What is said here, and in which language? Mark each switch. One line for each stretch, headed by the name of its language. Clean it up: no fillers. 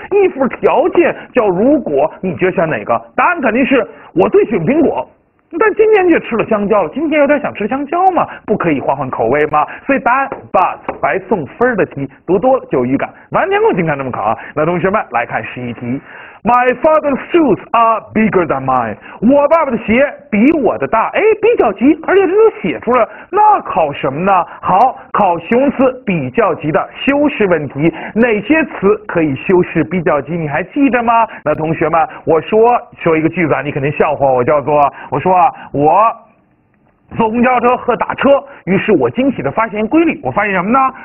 Chinese: if 条件叫如果，你觉得选哪个？答案肯定是我最喜欢苹果。但今天却吃了香蕉了，今天有点想吃香蕉嘛，不可以换换口味吗？所以答案 but 白送分的题，读多了就有预感，完全不经常这么考啊。那同学们来看十一题。
English: My father's shoes are bigger than mine。
Chinese: 我爸爸的鞋比我的大，哎，比较急，而且这都写出来，那考什么呢？好，考形容词比较急的修饰问题，哪些词可以修饰比较急，你还记得吗？那同学们，我说一个句子，你肯定笑话我，叫做我说我坐公交车和打车，于是我惊喜地发现规律，我发现什么呢？